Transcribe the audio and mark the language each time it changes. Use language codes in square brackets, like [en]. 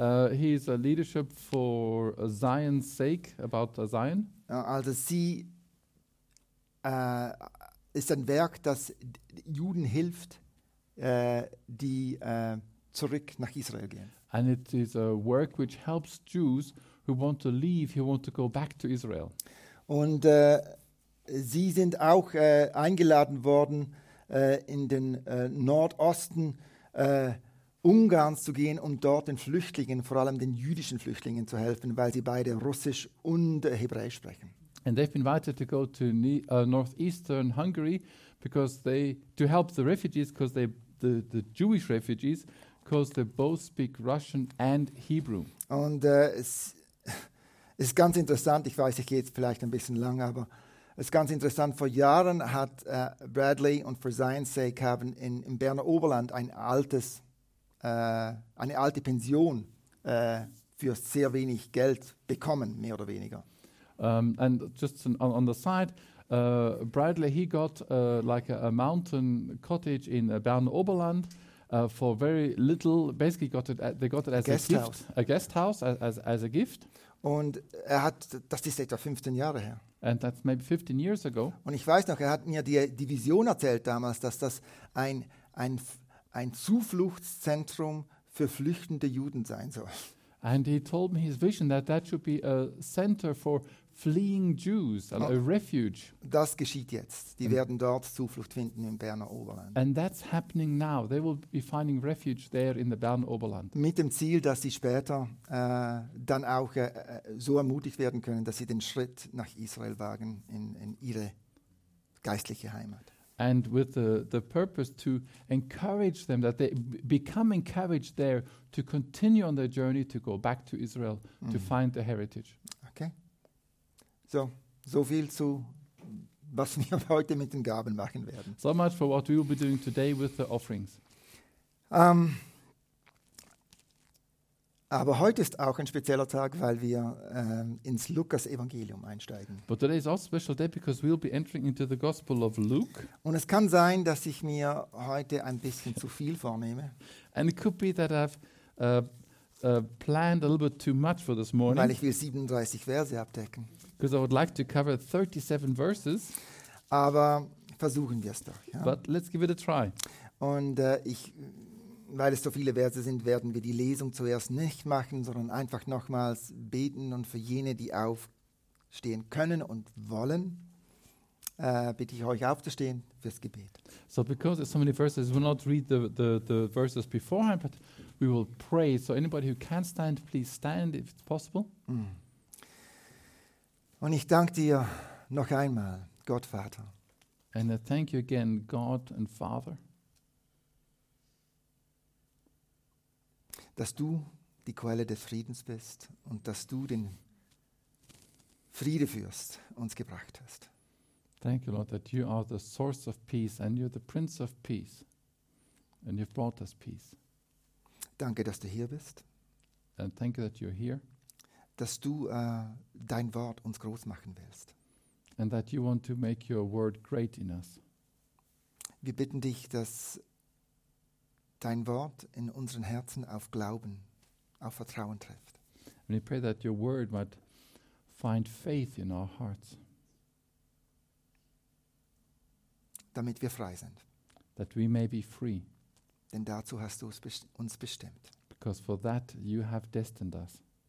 [en] He is a leadership for Zion's sake, about Zion. [de] Also sie ist ein Werk, das Juden hilft, die zurück nach Israel gehen. [en] And it is a work which helps Jews who want to leave, who want to go back to Israel. [de] Und sie sind auch eingeladen worden, in den Nordosten Ungarns zu gehen, um dort den Flüchtlingen, vor allem den jüdischen Flüchtlingen, zu helfen, weil sie beide Russisch und Hebräisch sprechen. [en] And they've been invited to go to northeastern Hungary because they to help the refugees, because they the Jewish refugees, because they both speak Russian and Hebrew. [de] Und es ist ganz interessant. Ich weiß, ich gehe jetzt vielleicht ein bisschen lang, aber es ist ganz interessant. Vor Jahren hat Bradley und for Zion's sake haben im Berner Oberland eine alte Pension für sehr wenig Geld bekommen, mehr oder weniger. [en] And just on the side, Bradley, he got like a mountain cottage in Berner Oberland for very little. Basically, they got it as guest a gift, house. A guest house as a gift. [de] Und er hat, das ist etwa 15 Jahre her. [en] And that's maybe 15 years ago. [de] Und ich weiß noch, er hat mir die Vision erzählt damals, dass das ein Zufluchtszentrum für flüchtende Juden sein soll. [en] And he told me his vision that should be a center for fleeing Jews, a refuge. [de] Das geschieht jetzt. Die werden dort Zuflucht finden im Berner Oberland. [en] And that's happening now. They will be finding refuge there in the Berner Oberland. [de] Mit dem Ziel, dass sie später dann auch so ermutigt werden können, dass sie den Schritt nach Israel wagen in ihre geistliche Heimat. [en] And with the purpose to encourage them, that they become encouraged there to continue on their journey to go back to Israel to find their heritage. Okay. [de] So viel zu, was wir heute mit den Gaben machen werden. [en] So much for what we will be doing today with the offerings. [de] Aber heute ist auch ein spezieller Tag, weil wir ins Lukas-Evangelium einsteigen. [en] But today is also a special day because we'll be entering into the Gospel of Luke. [de] Und es kann sein, dass ich mir heute ein bisschen zu viel vornehme. [en] And it could be that I've planned a little bit too much for this morning. [de] Weil ich will 37 Verse abdecken. [en] Because I would like to cover 37 verses. [de] Aber versuchen wir es doch. Ja. [en] But let's give it a try. [de] Und weil es so viele Verse sind, werden wir die Lesung zuerst nicht machen, sondern einfach nochmals beten. Und für jene, die aufstehen können und wollen, bitte ich euch aufzustehen fürs Gebet. [en] So, because there's so many verses, we'll not read the verses beforehand, but we will pray. So anybody who can stand, please stand if it's possible. Mm. [de] Und ich danke dir noch einmal, Gott Vater. [en] And I thank you again, God and Father. [de] Dass du die Quelle des Friedens bist und dass du den Friedefürst uns gebracht hast. [en] Thank you, Lord, that you are the source of peace and you're the Prince of Peace. And you've brought us peace. [de] Danke, dass du hier bist. [en] And thank you that you're here. [de] Dass du dein Wort uns groß machen willst. [en] And that you want to make your word great in us. [de] Wir bitten dich, dass dein Wort in unseren Herzen auf Glauben, auf Vertrauen trifft. [en] And we pray that your word might find faith in our hearts. [de] Damit wir frei sind. [en] That we may be free. [de] Denn dazu hast du uns bestimmt. [en] Because for that you have destined us.